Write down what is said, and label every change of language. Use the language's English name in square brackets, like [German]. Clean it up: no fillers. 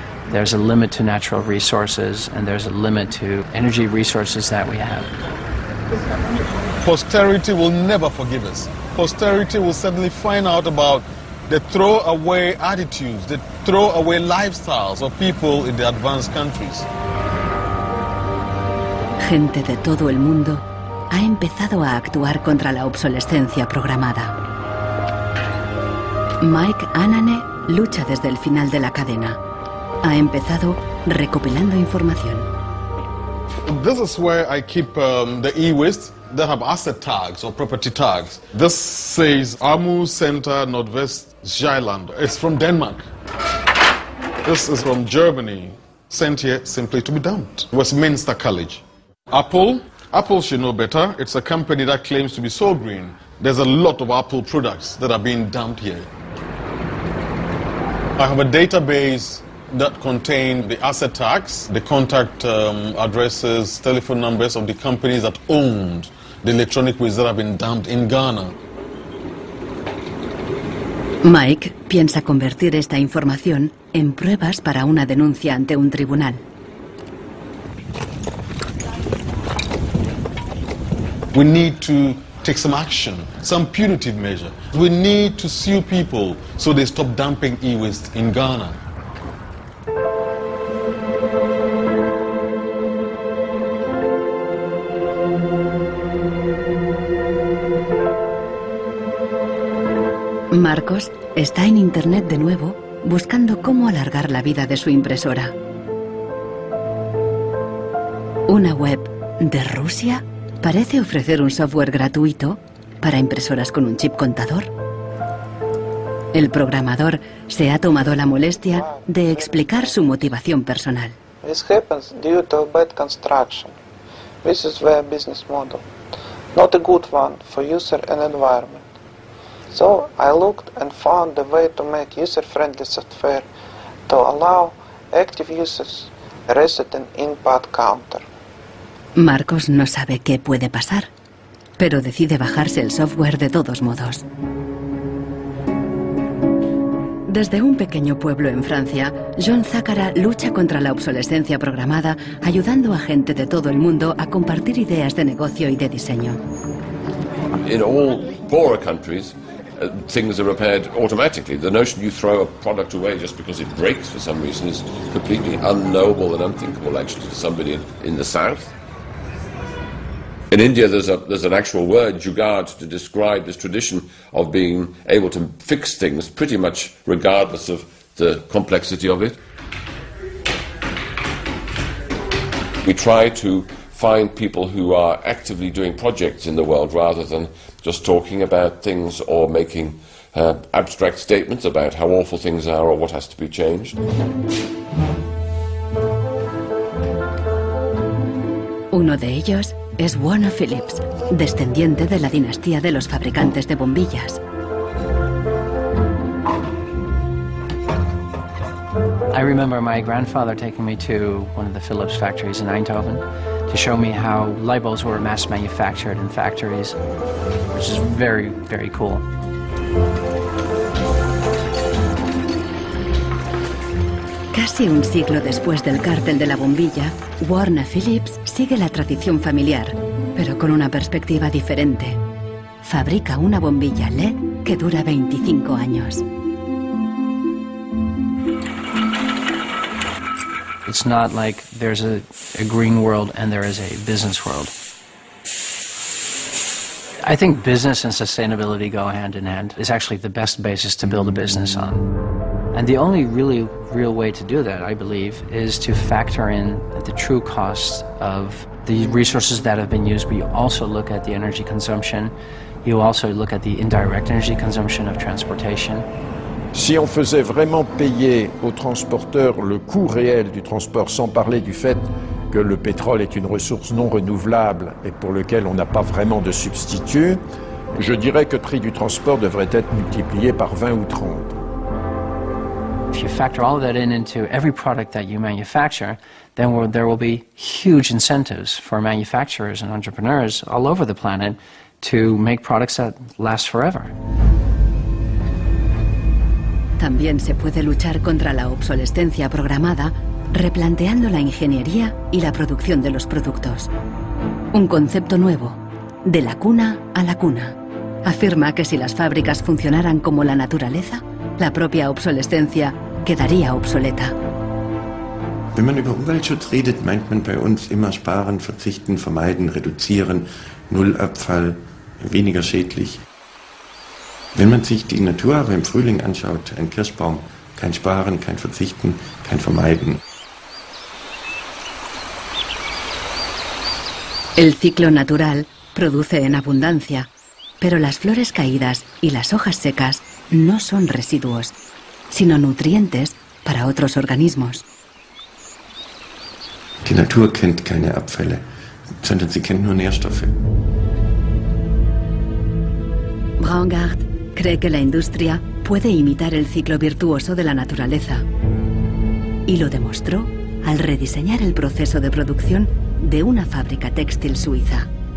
[English] There's a limit to natural resources and there's a limit to energy resources that we have. Posterity will never forgive us. Posterity will suddenly find out about the throwaway attitudes, the throwaway lifestyles of people in the advanced countries. [Spanish] Gente de todo el mundo ha empezado a actuar contra la obsolescencia programada. Mike Anane lucha desde el final de la cadena. Ha empezado recopilando información. [English] This is where I keep the e-waste. They have asset tags or property tags. This says Amu Center Nordvest Zeeland. It's from Denmark. This is from Germany. Sent here simply to be dumped. Westminster College. Apple. Apple should know better. It's a company that claims to be so green. There's a lot of Apple products that are being dumped here. I have a database that contain the asset tags, the contact addresses, telephone numbers of the companies that owned the electronic waste that have been dumped in Ghana. [Spanish] Mike piensa convertir esta información en pruebas para una denuncia ante un tribunal. [English] We need to take some action, some punitive measure. We need to sue people so they stop dumping e-waste in Ghana. [Spanish] Marcos está en internet de nuevo buscando cómo alargar la vida de su impresora. Una web de Rusia parece ofrecer un software gratuito para impresoras con un chip contador. El programador se ha tomado la molestia de explicar su motivación personal. [English] This happens due to bad construction. This is their business model. Not a good one for user and environment. So I looked and found a way to make user-friendly software to allow active users a resident input counter. [Spanish] Marcos no sabe qué puede pasar, pero decide bajarse el software de todos modos. Desde un pequeño pueblo en Francia, John Zakara lucha contra la obsolescencia programada, ayudando a gente de todo el mundo a compartir ideas de negocio y de diseño. [English] In all poorer countries, things are repaired automatically. The notion you throw a product away just because it breaks for some reason is completely unknowable and unthinkable, actually, to somebody in the south. In India, there's an actual word, jugaad, to describe this tradition of being able to fix things pretty much regardless of the complexity of it. We try to find people who are actively doing projects in the world rather than just talking about things or making abstract statements about how awful things are or what has to be changed. [Spanish] Uno de ellos es Warner Phillips, descendiente de la dinastía de los fabricantes de bombillas. [English] I remember my grandfather taking me to one of the Phillips factories in Eindhoven to show me how light bulbs were mass manufactured in factories, which is very, very cool. [Spanish] Casi un siglo después del cártel de la bombilla, Warner Phillips sigue la tradición familiar, pero con una perspectiva diferente. Fabrica una bombilla LED que dura 25 años. [English] It's not like there's a green world and there is a business world. I think business and sustainability go hand in hand. It's actually the best basis to build a business on. And the only really real way to do that, I believe, is to factor in the true costs of the resources that have been used. But you also look at the energy consumption. You also look at the indirect energy consumption of transportation. [French] Si on faisait vraiment payer aux transporteurs le coût réel du transport, sans parler du fait que le pétrole est une ressource non renouvelable et pour lequel on n'a pas vraiment de substitut, je dirais que le prix du transport devrait être multiplié par 20 ou 30. [English] If you factor all of that in into every product that you manufacture, then there will be huge incentives for manufacturers and entrepreneurs all over the planet to make products that last forever. [Spanish] También se puede luchar contra la obsolescencia programada replanteando la ingeniería y la producción de los productos. Un concepto nuevo, de la cuna a la cuna, afirma que si las fábricas funcionaran como la naturaleza, la propia obsolescencia quedaría obsoleta. [German] Wenn man über Umweltschutz redet, meint man bei uns immer sparen, verzichten, vermeiden, reduzieren, null Abfall, weniger schädlich. Wenn man sich die Natur aber im Frühling anschaut, ein Kirschbaum, kein Sparen, kein Verzichten, kein Vermeiden. [Spanish] El ciclo natural produce en abundancia, pero las flores caídas y las hojas secas no son residuos, sino nutrientes para otros organismos. [German] Die Natur kennt keine Abfälle, sondern sie kennt nur Nährstoffe. [Spanish] Braungart cree que la industria puede imitar el ciclo virtuoso de la naturaleza. Y lo demostró al rediseñar el proceso de producción de una fábrica textil suiza.